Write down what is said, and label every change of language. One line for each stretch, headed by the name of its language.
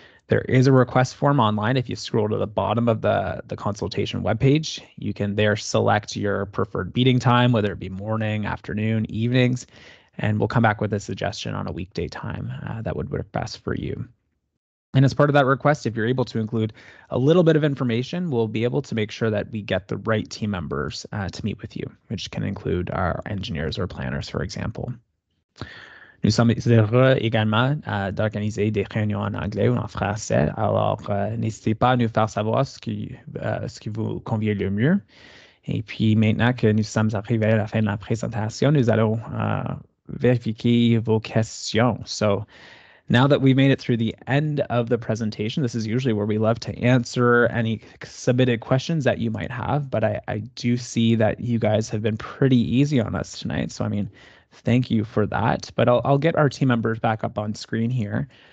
English: There is a request form online. If you scroll to the bottom of the consultation webpage, you can there select your preferred meeting time, whether it be morning, afternoon, evenings, and we'll come back with a suggestion on a weekday time that would work best for you. And as part of that request, if you're able to include a little bit of information, we'll be able to make sure that we get the right team members to meet with you, which can include our engineers or planners, for example.
French: Nous sommes heureux également d'organiser des réunions en anglais ou en français. Alors, n'hésitez pas à nous faire savoir ce qui vous convient le mieux. Et puis, maintenant que nous sommes arrivés à la fin de la présentation, nous allons vérifier vos questions.
English: So, now that we've made it through the end of the presentation, this is usually where we love to answer any submitted questions that you might have, but I do see that you guys have been pretty easy on us tonight. So, I mean, thank you for that. But I'll get our team members back up on screen here.